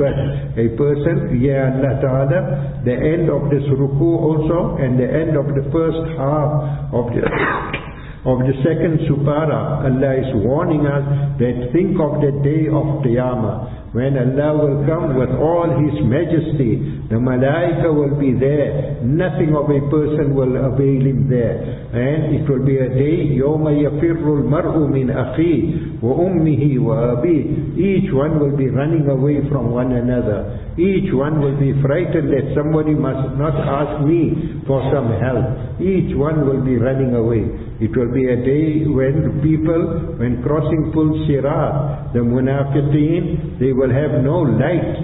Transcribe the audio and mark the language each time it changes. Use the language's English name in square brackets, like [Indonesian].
[English] But a person, Ya Allah Ta'ala, the end of this ruku also, and the end of the first half of the second supara, Allah is warning us that think of the day of Qiyamah, when Allah will come with all His majesty. The malaika will be there. Nothing of a person will avail him there. And it will be a day, [Arabic] يَوْمَ يَفِرُّ الْمَرْءُ مِنْ أَخِيهِ وَأُمِّهِ وَأَبِيهِ. [English] Each one will be running away from one another. Each one will be frightened that somebody must not ask me for some help. Each one will be running away. It will be a day when people, when crossing Pul Sirat, the munafiqeen, they will have no light.